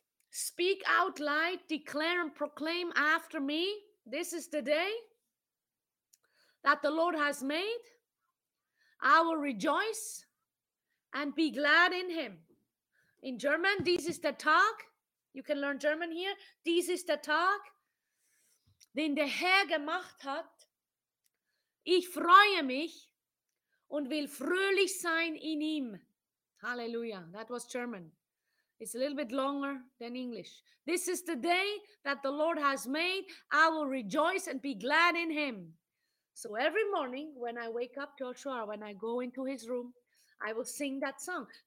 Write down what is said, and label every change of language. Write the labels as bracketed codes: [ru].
[en] Speak out loud, declare and proclaim after me. This is the day that the Lord has made. I will rejoice and be glad in him. In German, [de] dies ist der Tag. [en] You can learn German here. [de] Dies ist der Tag, den der Herr gemacht hat. Ich freue mich und will fröhlich sein in ihm. [en] Hallelujah. That was German. It's a little bit longer than English. This is the day that the Lord has made. I will rejoice and be glad in him. So every morning when I wake up, Joshua, when I go into his room, I will sing that song.